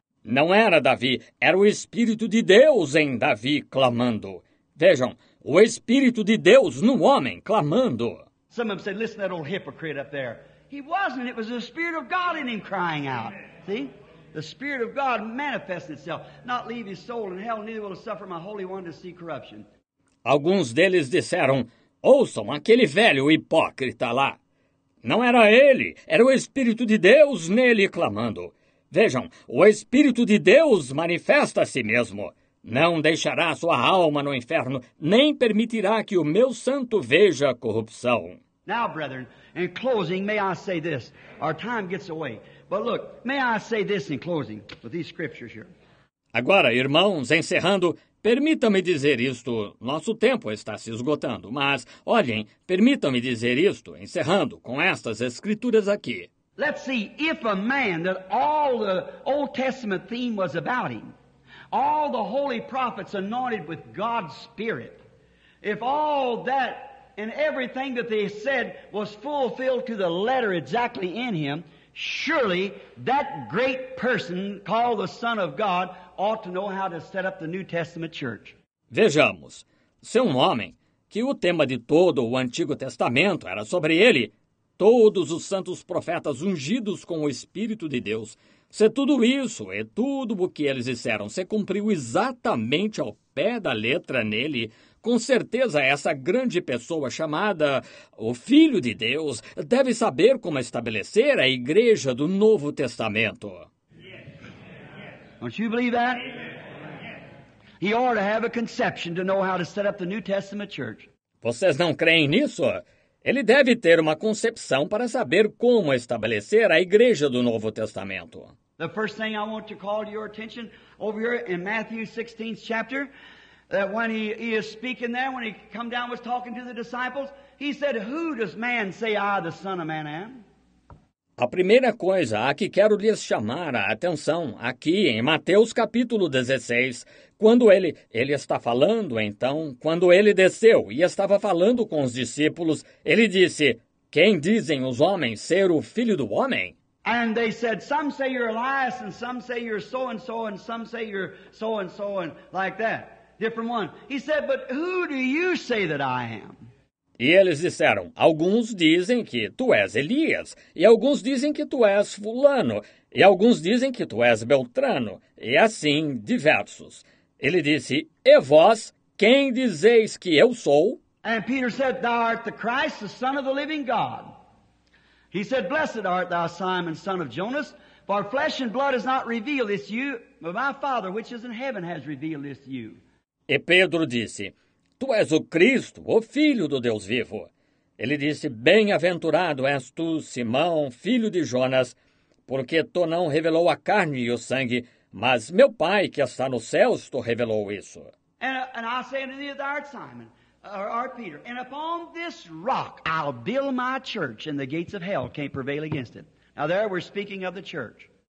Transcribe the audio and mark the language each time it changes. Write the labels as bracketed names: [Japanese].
[Portuguese] Não era Davi, era o Espírito de Deus em Davi clamando. Vejam, o Espírito de Deus no homem clamando. [English] Some of them said, listen to that old hypocrite up there. He wasn't. It was the Spirit of God in him crying out. See? The Spirit of God manifests itself. Not leave his soul in hell, neither will it suffer my Holy One to see corruption. [Portuguese] Alguns deles disseram, ouçam aquele velho hipócrita lá. Não era ele, era o Espírito de Deus nele clamando. Vejam, o Espírito de Deus manifesta a si mesmo. Não deixará sua alma no inferno, nem permitirá que o meu santo veja a corrupção. [English] Now, brethren, in closing, may I say this. Our time gets away. But look, may I say this in closing, with these scriptures here. [Portuguese] Agora, irmãos, encerrando, permita-me dizer isto. Nosso tempo está se esgotando, mas, olhem, permita-me dizer isto, encerrando, com estas escrituras aqui. [English] Let's see if a man that all the Old Testament theme was about him. All the holy prophets anointed with God's Spirit. If all that and everything that they said was fulfilled to the letter exactly in him, surely that great person called the Son of God ought to know how to set up the New Testament church. [Portuguese] Vejamos. Se um homem, que o tema de todo o Antigo Testamento era sobre ele, todos os santos profetas ungidos com o Espírito de Deus, se tudo isso e tudo o que eles disseram se cumpriu exatamente ao pé da letra nele, com certeza essa grande pessoa chamada o Filho de Deus deve saber como estabelecer a Igreja do Novo Testamento. [English] Don't you believe that? He ought to have a conception to know how to set up the New Testament church. [Portuguese] Vocês não creem nisso? Ele deve ter uma concepção para saber como estabelecer a Igreja do Novo Testamento. [English] The first thing I want to call your attention over here in Matthew 16th chapter, that when he is speaking there, when he come down was talking to the disciples, he said, who does man say I, the Son of Man, am? [Portuguese] A primeira coisa a que quero lhes chamar a atenção aqui em Mateus capítulo 16, quando ele está falando, então, quando ele desceu e estava falando com os discípulos, ele disse, quem dizem os homens ser o Filho do Homem? [English] And they said, some say you're Elias, and some say you're so-and-so, and some say you're so-and-so, and like that. Different one. He said, but who do you say that I am? [Portuguese] E eles disseram, alguns dizem que tu és Elias, e alguns dizem que tu és fulano, e alguns dizem que tu és Beltrano, e assim diversos. Ele disse, e vós, quem dizeis que eu sou? [English] And Peter said, thou art the Christ, the Son of the living God. He said, blessed art thou, Simon, son of Jonas, for flesh and blood has not revealed this to you, but my Father, which is in heaven, has revealed this to you. [Portuguese] E Pedro disse, tu és o Cristo, o Filho do Deus vivo. Ele disse, bem-aventurado és tu, Simão, filho de Jonas, porque tu não revelou a carne e o sangue, mas meu Pai, que está nos céus, tu revelou isso. [English] And I say unto thee, thou art Simon, or art Peter, and upon this rock I'll build my church, and the gates of hell can't prevail against it. Now there we're speaking of the church.